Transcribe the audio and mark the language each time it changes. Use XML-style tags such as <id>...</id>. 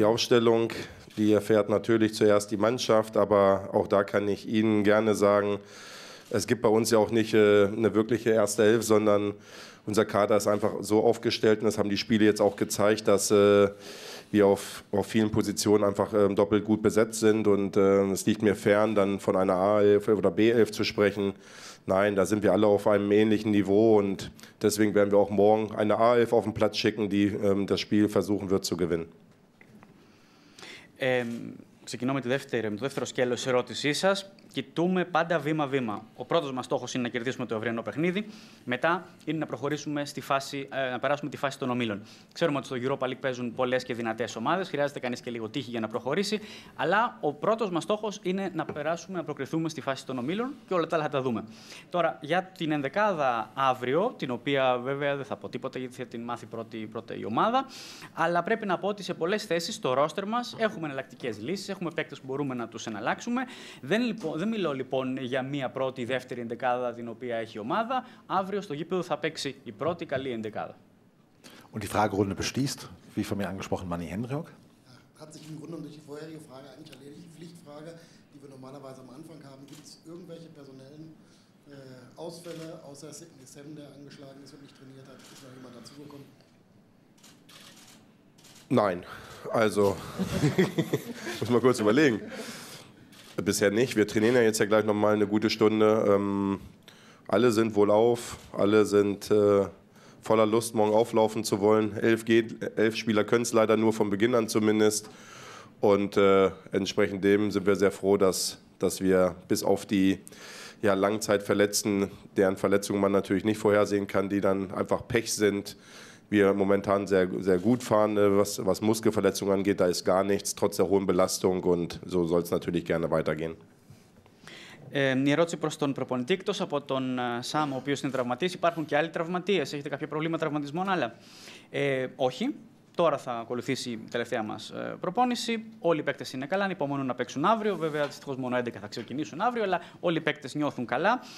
<de>Die Aufstellung, die erfährt natürlich zuerst die Mannschaft, aber auch da kann ich Ihnen gerne sagen, es gibt bei uns ja auch nicht eine wirkliche erste Elf, sondern unser Kader ist einfach so aufgestellt und das haben die Spiele jetzt auch gezeigt, dass wir auf vielen Positionen einfach doppelt gut besetzt sind und es liegt mir fern, dann von einer A-Elf oder B-Elf zu sprechen. Nein, da sind wir alle auf einem ähnlichen Niveau und deswegen werden wir auch morgen eine A11 auf den Platz schicken, die das Spiel versuchen wird zu gewinnen.</de> <el>Ξεκινώ με το δεύτερο σκέλος της ερώτησής σας. κοιτούμε πάντα βήμα-βήμα. Ο πρώτος μας στόχος είναι να κερδίσουμε το ευρύνο παιχνίδι. Μετά είναι να προχωρήσουμε στη φάση, να περάσουμε τη φάση των ομίλων. Ξέρουμε ότι στο Europa League παίζουν πολλές και δυνατές ομάδες. Χρειάζεται κανείς και λίγο τύχη για να προχωρήσει. Αλλά ο πρώτος μας στόχος είναι να περάσουμε, να προκριθούμε στη φάση των ομίλων και όλα τα άλλα θα τα δούμε. Τώρα για την ενδεκάδα αύριο, την οποία βέβαια δεν θα πω τίποτα γιατί θα την μάθει πρώτη η ομάδα. Αλλά πρέπει να πω ότι σε πολλές θέσεις στο ρόστερ μας έχουμε εναλλακτικές λύσεις. Έχουμε παίκτες που μπορούμε να τους εναλλάξουμε. Δεν μιλώ λοιπόν για μία πρώτη ή δεύτερη ενδεκάδα την οποία έχει η ομάδα. Αύριο στο γήπεδο θα παίξει η πρώτη καλή ενδεκάδα.</el> <de>Und die Fragerunde beschließt, wie von mir angesprochen, Manny Henrik. Hat sich im Grunde durch die vorherige Frage eigentlich erledigt. Die Pflichtfrage, die wir normalerweise am Anfang haben, gibt es irgendwelche personellen Ausfälle, außer Sidney Sam, der angeschlagen ist und nicht trainiert hat, ist noch jemand dazugekommen? Nein, also, muss man kurz überlegen. Bisher nicht. Wir trainieren ja jetzt ja gleich nochmal eine gute Stunde. Alle sind wohlauf, alle sind voller Lust, morgen auflaufen zu wollen. 11 geht, 11 Spieler können es leider nur von Beginn an zumindest. Und entsprechend dem sind wir sehr froh, dass wir bis auf die ja, Langzeitverletzten, deren Verletzungen man natürlich nicht vorhersehen kann, die dann einfach Pech sind, wir momentan sehr, sehr gut fahren, was Muskelverletzungen angeht, da ist gar nichts, trotz der hohen Belastung und so soll es natürlich gerne weitergehen.</de> <el>Μια ερώτηση προς τον προπονητή. Εκτός από τον Σαμ, ο οποίος είναι τραυματίας, υπάρχουν και άλλοι τραυματίες. Έχετε κάποια προβλήματα τραυματισμών, άλλα? Όχι. Τώρα θα ακολουθήσει η τελευταία μας προπόνηση. Όλοι οι παίκτες είναι καλά. Υπομονούν να παίξουν αύριο. Βέβαια, δυστυχώς μόνο 11 θα ξεκινήσουν αύριο, αλλά όλοι οι παίκτες νιώθουν καλά.</el>